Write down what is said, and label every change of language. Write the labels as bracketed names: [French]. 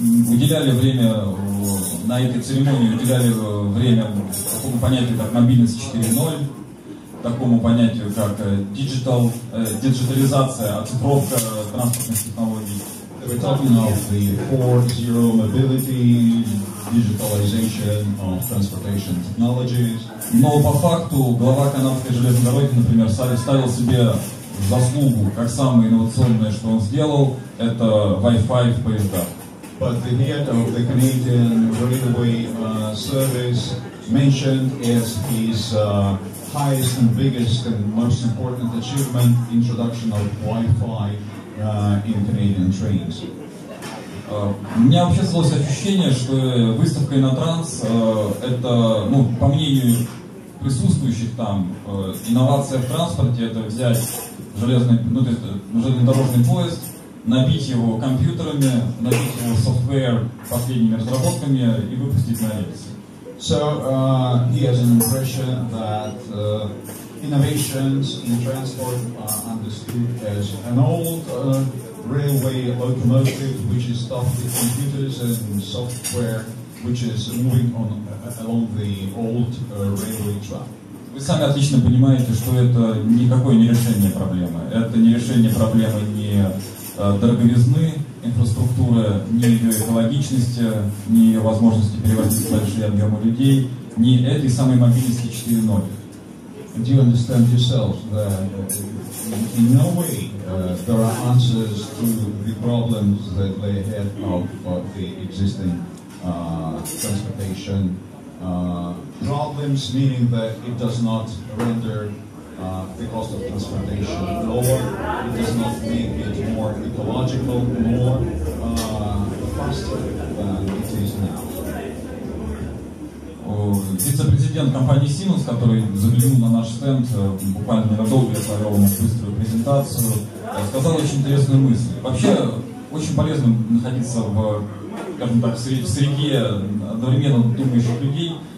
[Russian] Уделяли время на этой церемонии, уделяли время такому понятию, как мобильность 4.0, такому понятию, как digital, диджитализация, оцифровка транспортных технологий. [English] We're talking of the 4.0 mobility, digitalization of transportation technologies. [Russian] Но по факту глава канадской железной дороги, например, ставил себе заслугу, как самое инновационное, что он сделал, это Wi-Fi в поездах. [English] But the head of the Canadian Railway Service mentioned as his highest and biggest and most important achievement introduction of Wi-Fi in Canadian trains. [Russian] У меня вообще создалось ощущение, что выставка Innotrans это, ну, по мнению присутствующих там, инновация в транспорте это взять железнодорожный поезд, набить его компьютерами, набить его софтвер последними разработками и выпустить на рельсы. [English] So he has an impression that innovations in transport are understood as an old railway locomotive which is stuffed with computers and software which is moving on along the old railway track. [Russian] Вы сами отлично понимаете, что это никакое не решение проблемы. Это не решение проблемы не дороговизны инфраструктуры, ни ее экологичности, ни ее возможности перевозить большие объемы людей, ни этой самой мобильности 4.0. [English] Do you understand yourself that in no way there are answers to the problems that lay ahead of the existing transportation problems, meaning that it does not render the cost of transportation lower, it does not make it more ecological, more faster than it is now. [Russian] Вице-президент компании Siemens, который заглянул на наш стенд, буквально ненадолго оставил нам быструю презентацию, сказал очень интересную мысль. Вообще, очень полезно находиться в, скажем так, в среде одновременно думающих людей,